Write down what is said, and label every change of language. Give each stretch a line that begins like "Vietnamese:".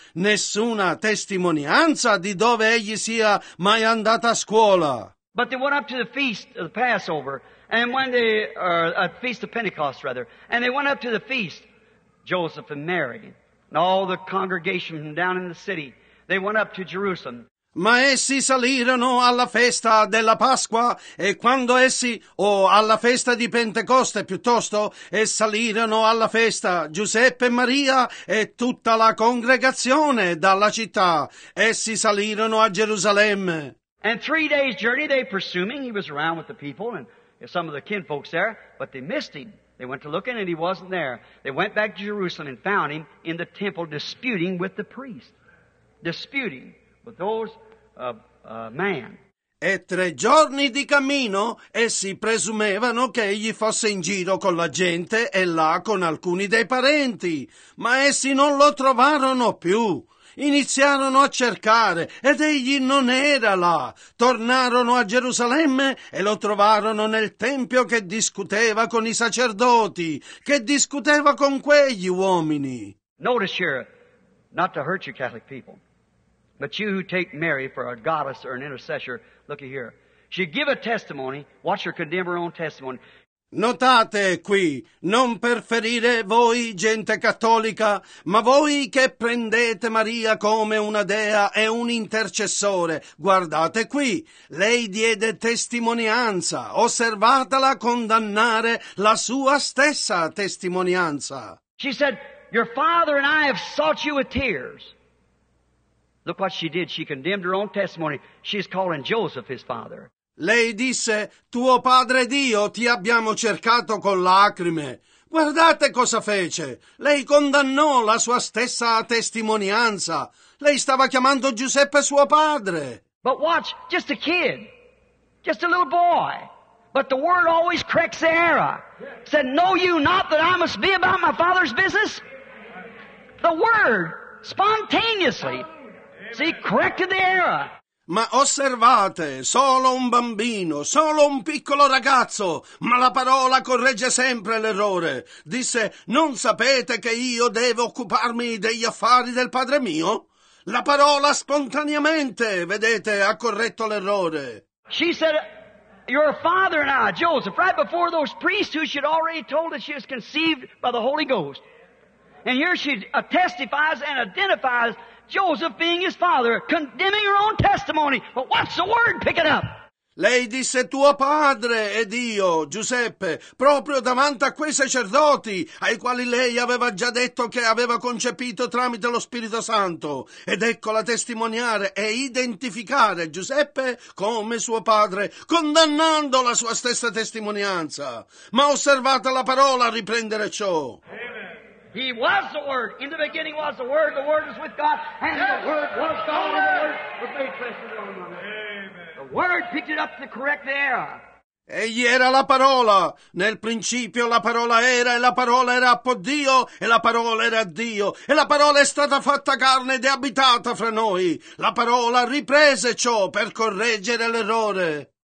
Italian: Nessuna testimonianza di dove egli sia mai andato a scuola.
English: But they went up to the feast of the Passover, and when they, feast of Pentecost rather, and they went up to the feast, Joseph and Mary. And all the congregation down in the city, they went up to Jerusalem.
Italian: Ma essi salirono alla festa della Pasqua, e quando essi, alla festa di Pentecoste piuttosto, e salirono alla festa Giuseppe e Maria e tutta la congregazione dalla città, essi salirono a Gerusalemme.
English: And 3 days journey, they presuming he was around with the people and some of the kinfolks there, but they missed him. They went to look in and he wasn't there. They went back to Jerusalem and found him in the temple disputing with the priest. Disputing. Those man.
Italian: E 3 giorni di cammino essi presumevano che egli fosse in giro con la gente e là con alcuni dei parenti, ma essi non lo trovarono più. Iniziarono a cercare ed egli non era là. Tornarono a Gerusalemme e lo trovarono nel tempio che discuteva con i sacerdoti, che discuteva con quegli uomini.
English: Notice here, not to hurt you Catholic people. But you who take Mary for a goddess or an intercessor, looky here. She give a testimony, watch her condemn her own testimony.
Italian: Notate qui, non per ferire voi, gente cattolica, ma voi che prendete Maria come una dea e un intercessore, guardate qui, lei diede testimonianza, osservatela condannare la sua stessa testimonianza.
English: She said, your father and I have sought you with tears. Look what she did. She condemned her own testimony. She's calling Joseph his father.
Italian: Lei disse, tuo padre ed io ti abbiamo cercato con lacrime. Guardate cosa fece. Lei condannò la sua stessa testimonianza. Lei stava chiamando Giuseppe suo padre.
English: But watch, just a kid. Just a little boy. But the word always corrects the error. Said, know you not that I must be about my father's business? The word, spontaneously. See, correct the error.
Italian: Ma osservate, solo un bambino, solo un piccolo ragazzo, ma la parola corregge sempre l'errore. Disse, non sapete che io devo occuparmi degli affari del padre mio? La parola spontaneamente, vedete, ha corretto l'errore.
English: She said, your father and I, Joseph, right before those priests who she'd already told that she was conceived by the Holy Ghost. And here she testifies and identifies Joseph being his father, condemning her own testimony. But what's the word picking up?
Italian: Lei disse tuo padre ed io, Giuseppe, proprio davanti a quei sacerdoti ai quali lei aveva già detto che aveva concepito tramite lo Spirito Santo. Ed eccola testimoniare e identificare Giuseppe come suo padre, condannando la sua stessa testimonianza. Ma osservate la parola a riprendere ciò.
English: He was the Word. In the beginning was the Word was with God, and the Word was God, and the Word was made flesh and dwelt among us. The Word picked it up to correct the error.
Italian: Egli era la parola. Nel principio la parola era, e la parola era appo Dio, e la parola era Dio, e la parola è stata fatta carne ed è abitata fra noi. La parola riprese ciò per correggere l'errore.